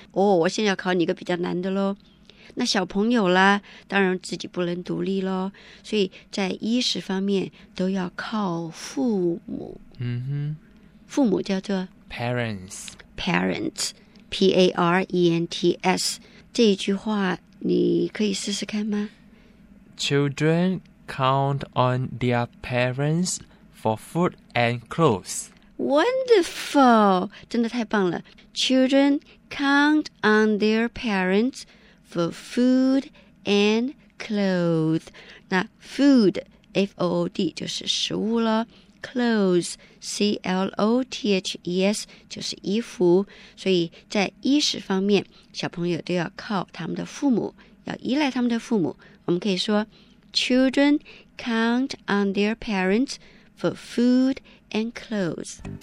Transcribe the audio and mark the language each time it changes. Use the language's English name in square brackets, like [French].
[Chinese] 哦，我现在要考你一个比较难的咯。那小朋友啦，当然自己不能独立咯，所以在衣食方面都要靠父母。嗯哼，父母叫做 [English] parents, parents, P-A-R-E-N-T-S。 [Chinese] 这一句话你可以试试看吗？ [English] Children count on their parents for food and clothes. Wonderful, [Chinese] 真的太棒了。 [English] Children count on their parentsFor food and clothes. [Chinese] 那 food, F-O-O-D, 就是食物咯。 Clothes, C-L-O-T-H-E-S, 就是衣服。所以在衣食方面，小朋友都要靠他们的父母，要依赖他们的父母。我们可以说 [English] Children count on their parents for food and clothes.